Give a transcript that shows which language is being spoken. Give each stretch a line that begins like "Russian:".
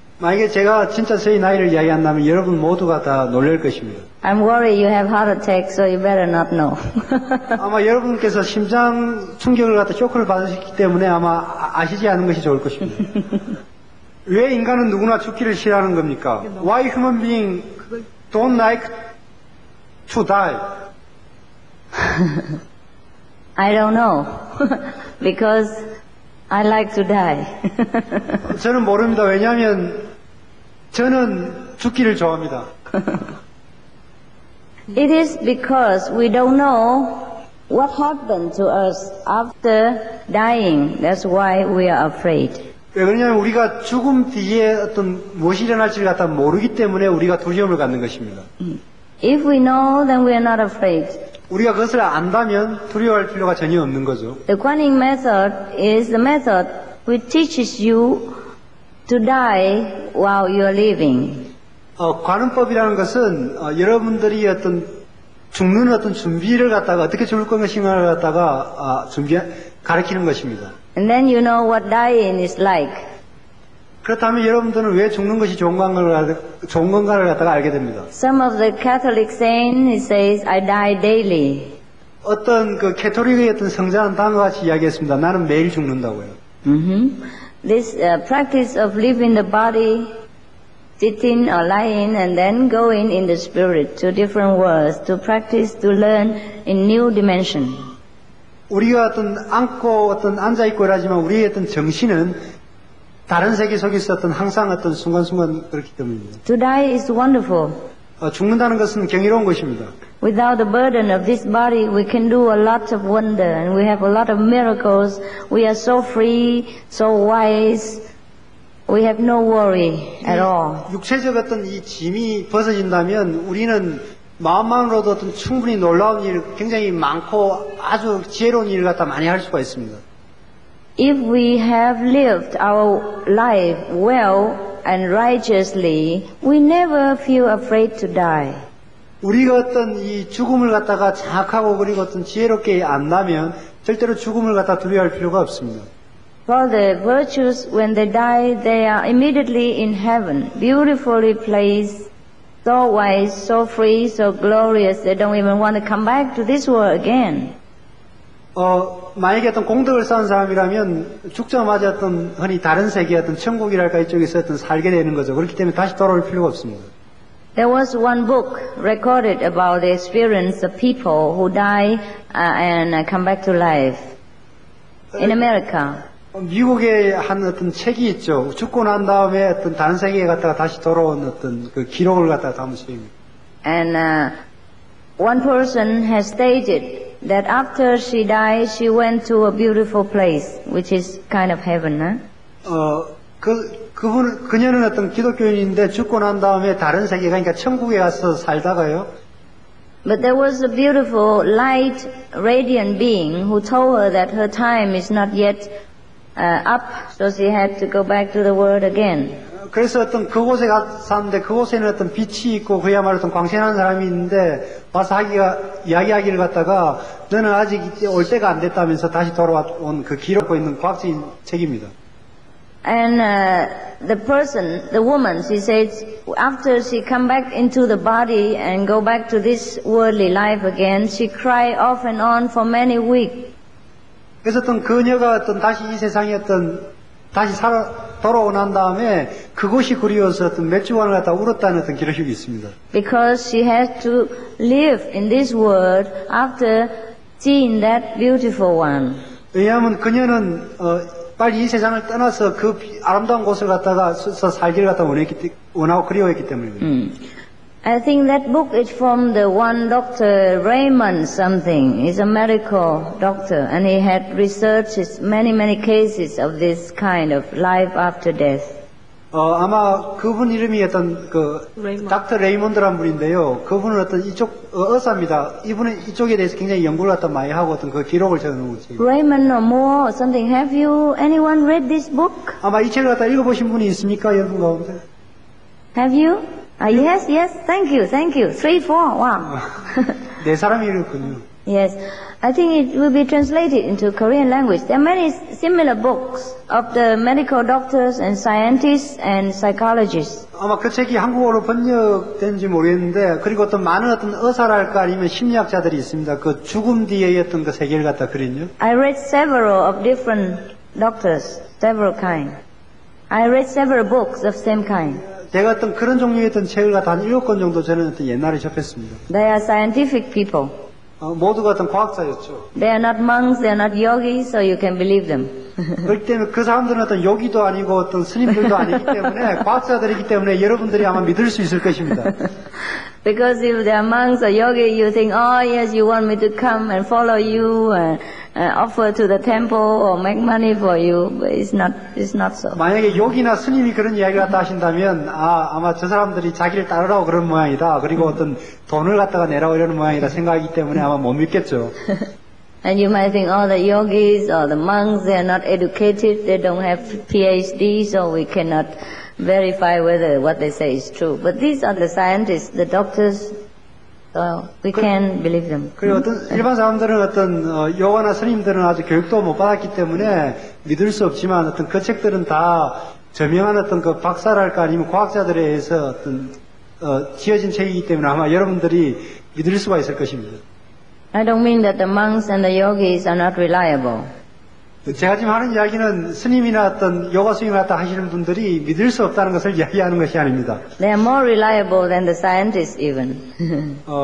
Korean: 만약에 제가 진짜 저의 나이를 이야기한다면 여러분 모두가 다 놀랄 것입니다.
English: I'm worried you have heart attack, so you better not know.
Korean: 아마 여러분께서 심장 충격을 갖다 쇼크를 받으셨기 때문에 아마 아시지 않은 것이 좋을 것입니다. 왜 인간은 누구나 죽기를 싫어하는 겁니까?
English: Why human being don't like to die? I don't know. Because I like to die.
Korean: 저는 모릅니다. 왜냐하면 저는 죽기를 좋아합니다.
English: It is because we don't know what happened to us after dying. That's why we are afraid.
Korean: 왜냐하면 우리가 죽음 뒤에 어떤 무엇이 일어날지를 갖다 모르기 때문에 우리가 두려움을 갖는 것입니다.
English: If we know, then we are not afraid.
Korean: 우리가 그것을 안다면 두려워할 필요가 전혀 없는 거죠.
English: The Guanyin method is the method which teaches you to die while you are living.
Korean: 관음법이라는 것은 여러분들이 어떤 죽는 어떤 준비를 갖다가 어떻게 죽을 것인가를 갖다가 가르치는 것입니다.
English: And then you know what dying is like.
Korean: 그렇다면 여러분들은 왜 죽는 것이 좋은 건가를 갖다가 알게 됩니다.
English: Some of the Catholic saints says I die daily.
Korean: 어떤 그 캐톨릭의 어떤 성자는 다음과 같이 이야기했습니다. 나는 매일 죽는다고요. Mm-hmm.
English: This practice of leaving the body, sitting or lying, and then going in the spirit to different worlds to practice to learn in new dimension.
Korean: 우리가 어떤 앉고 어떤 앉아 있고 하지만 우리의 어떤 정신은 다른 세계 속에서 어떤 항상 어떤 순간순간 그렇기 때문입니다.
English: To die is wonderful.
Korean: 죽는다는 것은 경이로운 것입니다.
English: Without the burden of this body, we can do a lot of wonder, and we have a lot of miracles. We are so free, so wise. We have no worry at all.
Korean: 육체적 어떤 이 짐이 벗어진다면 우리는 마음만으로도 어떤 충분히 놀라운 일, 굉장히 많고 아주 지혜로운 일을 갖다 많이 할 수가 있습니다.
English: If we have lived our life well and righteously, we never feel afraid to die.
Korean: 우리가 어떤 이 죽음을 갖다가 착하고 그리고 어떤 지혜롭게 안다면 절대로 죽음을 갖다 두려워할 필요가 없습니다.
English: For the virtues, when they die, they are immediately in heaven, beautifully placed, so wise, so free, so glorious, they don't even want to come back to this world again.
Korean: 만약에 어떤 공덕을 쌓은 사람이라면 죽자마자 어떤 흔히 다른 세계 어떤 천국이랄까 이쪽에서 어떤 살게 되는 거죠. 그렇기 때문에 다시 돌아올 필요가 없습니다.
English: There was one book recorded about the experience of people who die and come back to life in America.
Korean: 미국에 한 어떤 책이 있죠. 죽고 난 다음에 어떤 다른 세계에 갔다가 다시 돌아온 어떤 그 기록을 갖다가 담은 책입니다.
English: And one person has stated that after she died, she went to a beautiful place, which is kind of heaven, huh?
Korean: 그녀는 어떤 기독교인인데 죽고 난 다음에 다른 세계 그러니까 천국에 가서 살다가요.
English: But there was a beautiful light radiant being who told her that her time is not yet up so she had to go back to the world again.
Korean: 그래서 어떤 그곳에 갔었는데 그곳에는 어떤 빛이 있고 그야말로 어떤 광채난 사람이 있는데 와서 이야기하기를 갖다가 너는 아직 올 때가 안 됐다면서 다시 돌아온 그 기록하고 있는 과학적인 책입니다.
English: And the person, the woman, she says, after she come back into the body and go back to this worldly life again, she cried off and on for many weeks.
Korean: 그래서 어떤 그녀가 어떤 다시 이 세상에 어떤 다시 돌아온 다음에 그곳이 그리워서 어떤 몇 주간을 갖다 울었다는 어떤 기록이 있습니다.
English: Because she has to live in this world after seeing that beautiful one.
Korean: 왜냐하면 그녀는 빨리 이 세상을 떠나서 그 아름다운 곳을 갔다가 살기를 갖다 원하고 그리워했기 때문입니다.
English: I think that book is from the one Dr. Raymond something. He's a medical doctor and he had researched many many cases of this kind of life after death.
Korean: 아마 그분 이름이 어떤 그 닥터 레이몬드란 분인데요. 그분은 어떤 이쪽 의사입니다. 이분은 이쪽에 대해서 굉장히 연구를 갖다 많이 하고 어떤 그 기록을 적어놓은 거죠.
English: Raymond or Moore or something. Have you anyone read this book?
Korean: 아마 이 책을 갖다 읽어보신 분이 있습니까, 여러분 가운데?
English: Have you? Yes, yes. Thank you, thank you. Three, four, one.
Korean: 네 사람이 읽었군요.
English: Yes, I think it will be translated into Korean language. There are many similar books of the medical doctors and scientists and psychologists.
Korean: 아마 그 책이 한국어로 번역된지 모르겠는데, 그리고 어떤 많은 어떤 의사랄까 아니면 심리학자들이 있습니다. 그 죽음 뒤에 어떤 그 세계를 갖다 그린요.
English: I read several of different doctors, several kind. I read several books of same kind.
Korean: 제가 어떤 그런 종류의 어떤 책을 갖다 한 7권 정도 저는 어떤 옛날에 접했습니다.
English: They are scientific people.
Korean: 모두가 어떤 과학자였죠.
English: They are not monks, they are not yogis, so you can believe them.
Korean: 그렇기 때문에 그 사람들은 어떤 요기도 아니고 어떤 스님들도 아니기 때문에 과학자들이기 때문에 여러분들이 아마 믿을 수 있을 것입니다.
English: Because if they are monks or yogis, you think, oh yes, you want me to come and follow you and offer to the temple or make money for you, but it's not so.
Korean: 만약에 요기나 스님이 그런 이야기를 갖다 하신다면, 아마 저 사람들이 자기를 따르라고 그런 모양이다. 그리고 어떤 돈을 갖다가 내라고 이러는 모양이다 생각하기 때문에 아마 못 믿겠죠.
English: And you might think, oh, the yogis or the monks, they are not educated, they don't have PhD, so we cannot verify whether what they say is true. But these are the scientists, the doctors. So we can believe them.
Korean: 그리고 어떤 일반 사람들은 어떤 여호와나 스님들은 아직 교육도 못 받았기 때문에 믿을 수 없지만 어떤 그 책들은 다 저명한 어떤 그 박사랄까 아니면 과학자들에 의해서 어떤 지어진 책이기 때문에 아마 여러분들이 믿을 수가 있을 것입니다.
English: I don't mean that the monks and the yogis are not reliable.
Korean: 제가 지금 하는 이야기는 스님이나 어떤 요가 스님이나 어떤 하시는 분들이 믿을 수 없다는 것을 이야기하는 것이 아닙니다.
English: They are more reliable than the scientists even.